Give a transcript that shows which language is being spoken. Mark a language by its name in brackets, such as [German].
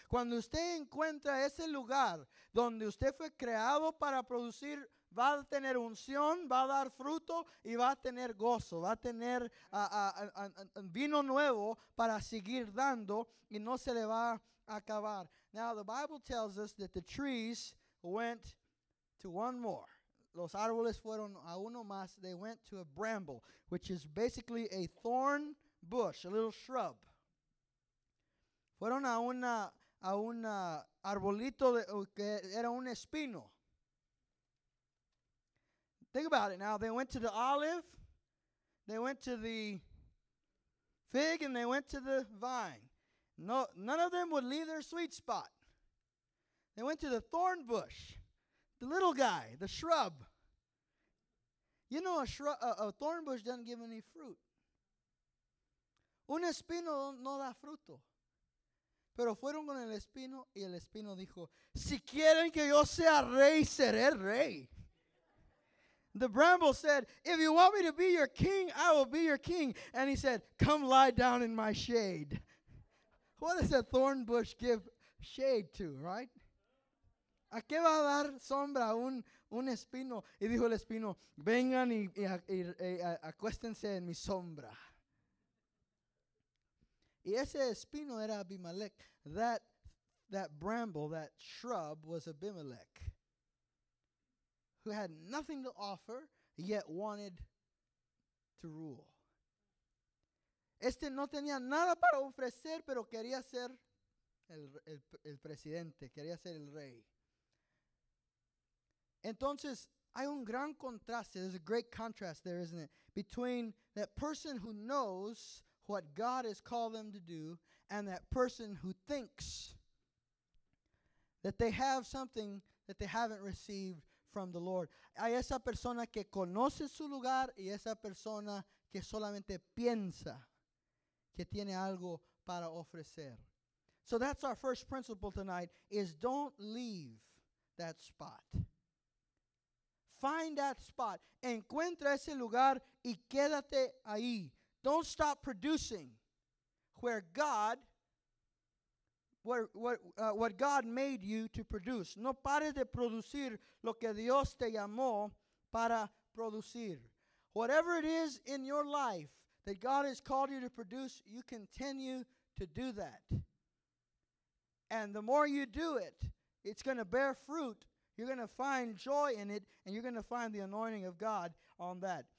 [Spanish] Cuando usted encuentra ese lugar donde usted fue creado para producir, va a tener unción, va a dar fruto, y va a tener gozo. Va a tener vino nuevo para seguir dando, y no se le va a acabar. [English] Now, the Bible tells us that the trees went to one more. [Spanish] Los árboles fueron a uno más. [English] They went to a bramble, which is basically a thorn bush, a little shrub. [Spanish] Fueron a una arbolito que era un espino. [English] Think about it now. They went to the olive, they went to the fig, and they went to the vine. No, none of them would leave their sweet spot. They went to the thorn bush, the little guy, the shrub. You know, a thorn bush doesn't give any fruit. [Spanish] Un espino no da fruto. Pero fueron con el espino, y el espino dijo, si quieren que yo sea rey, seré rey. [English] The bramble said, if you want me to be your king, I will be your king. And he said, come lie down in my shade. What does a thorn bush give shade to, right? [Spanish] ¿A qué va a dar sombra un espino? Y dijo el espino, vengan y acuéstense en mi sombra. Y ese espino era Abimelech. [English] That bramble, that shrub, was Abimelech, who had nothing to offer, yet wanted to rule. [Spanish] Este no tenía nada para ofrecer, pero quería ser el presidente, quería ser el rey. Entonces, hay un gran contraste, [English] there's a great contrast there, isn't it, between that person who knows what God has called them to do and that person who thinks that they have something that they haven't received from the Lord. [Spanish] Hay esa persona que conoce su lugar y esa persona que solamente piensa que tiene algo para ofrecer. [English] So that's our first principle tonight, is don't leave that spot. Find that spot. [Spanish] Encuentra ese lugar y quédate ahí. [English] Don't stop producing where God, what God made you to produce. [Spanish] No pares de producir lo que Dios te llamó para producir. [English] Whatever it is in your life that God has called you to produce, you continue to do that. And the more you do it, it's going to bear fruit. You're going to find joy in it, and you're going to find the anointing of God on that.